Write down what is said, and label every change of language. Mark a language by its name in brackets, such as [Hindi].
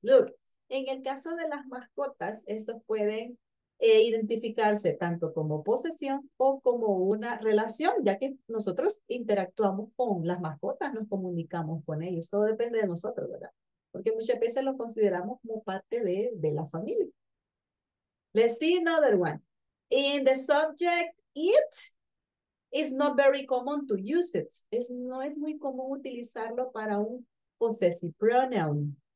[Spanish] Look, en el caso de las mascotas, estos pueden identificarse tanto como posesión o como una relación, ya que nosotros interactuamos con las mascotas, nos comunicamos con ellos. Todo depende de nosotros, ¿verdad? Porque muchas veces lo consideramos como parte de la familia. [English] Let's see another one. In the subject, it is not very common to use it. [Spanish] No es muy común utilizarlo para un possessive pronoun.